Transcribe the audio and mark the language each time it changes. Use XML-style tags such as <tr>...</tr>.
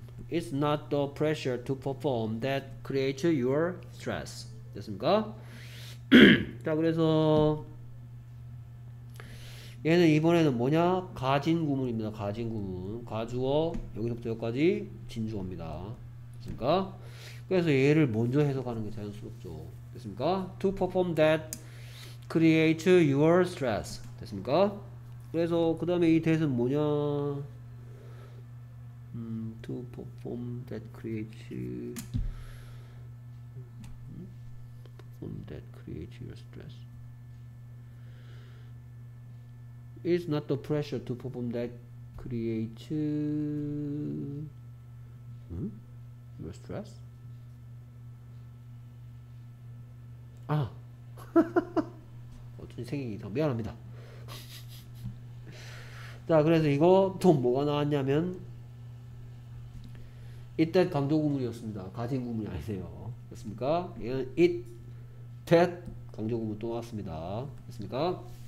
<en>It's not the pressure to perform that creates your stress.</en> <ko>됐습니까? 자, 그래서 얘는 이번에는 뭐냐? 가진 구문입니다. 가진 구문. 가주어 여기서부터 여기까지 진주어입니다. 됐습니까? 그래서 얘를 먼저 해석하는 게 자연스럽죠. 됐습니까?</ko> <en>To perform that creates your stress. 됐습니까?</en> <ko>그래서 그다음에 이 that은 뭐냐?</ko> <en>To perform that creates that creates your stress. It's not the pressure to perform that creates your stress.</en> <ko>Ah, 어쩐지 생각이 더 미안합니다. 자, 그래서 이거 또 뭐가 나왔냐면 it that 강조구문이었습니다. 가진구문이 아니세요. 됐습니까? 이건 it that 강조구문 또 나왔습니다. 됐습니까?</ko>